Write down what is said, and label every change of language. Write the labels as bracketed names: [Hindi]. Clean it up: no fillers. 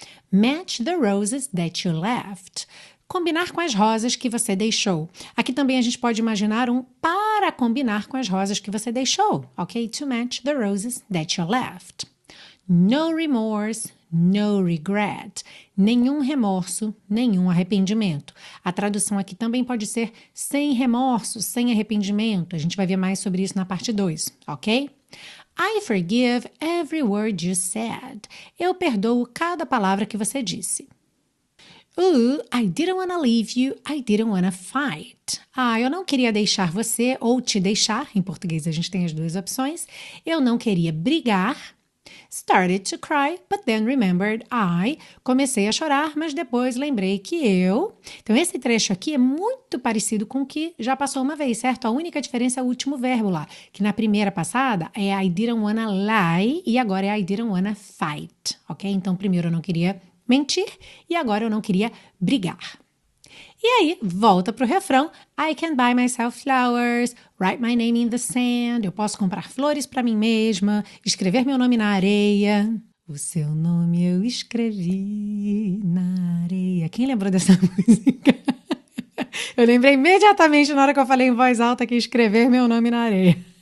[English] Match the roses that you left. [Portuguese] Combinar com as rosas que você deixou. Aqui também a gente pode imaginar um para combinar com as rosas que você deixou. Ok? [English] To match the roses that you left. No remorse, no regret. [Portuguese] Nenhum remorso, nenhum arrependimento. A tradução aqui também pode ser sem remorso, sem arrependimento. A gente vai ver mais sobre isso na parte 2, ok? [English] I forgive every word you said. [Portuguese] Eu perdoo cada palavra que você disse. [English] Ooh, I didn't wanna leave you, I didn't wanna fight. [Portuguese] Ah, eu não queria deixar você ou te deixar. Em português a gente tem as duas opções. Eu não queria brigar. [English] Started to cry, but then remembered I. [Portuguese] Comecei a chorar, mas depois lembrei que eu. Então, esse trecho aqui é muito parecido com o que já passou uma vez, certo? A única diferença é o último verbo lá, que na primeira passada é [English] I didn't wanna lie [Portuguese] e agora é [English] I didn't wanna fight, [Portuguese] ok? Então, primeiro eu não queria mentir e agora eu não queria brigar. E aí, volta pro refrão. [English] I can buy myself flowers, write my name in the sand. [Portuguese] Eu posso comprar flores para mim mesma, escrever meu nome na areia. O seu nome eu escrevi na areia. Quem lembrou dessa música? Eu lembrei imediatamente na hora que eu falei em voz alta que escrever meu nome na areia.